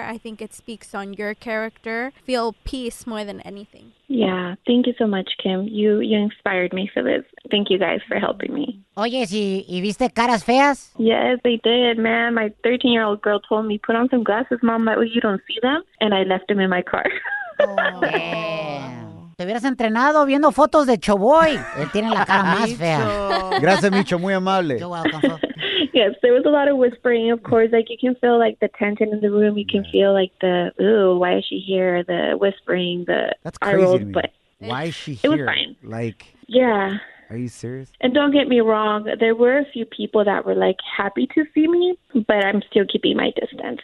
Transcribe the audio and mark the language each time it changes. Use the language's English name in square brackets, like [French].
[English] I think it speaks on your character. Feel peace more than anything. Yeah, thank you so much, Kim. You inspired me for this. Thank you guys for helping me. [Spanish] Oye, ¿y viste caras feas? [English] Yes, they did, man. My 13-year-old girl told me, put on some glasses, Mom, that way you don't see them. And I left them in my car. [Spanish] Oh, te hubieras entrenado viendo fotos de Choboy. Él tiene la cara más fea. Gracias, Micho. Muy amable. [English] You're welcome. Yes, there was a lot of whispering, of course. Like, you can feel, like, the tension in the room. You can feel, like, the, ooh, why is she here? The whispering, the eye rolls. That's crazy to me. But Why is she here? It was fine. Like, yeah. Are you serious? And don't get me wrong, there were a few people that were like happy to see me, but I'm still keeping my distance.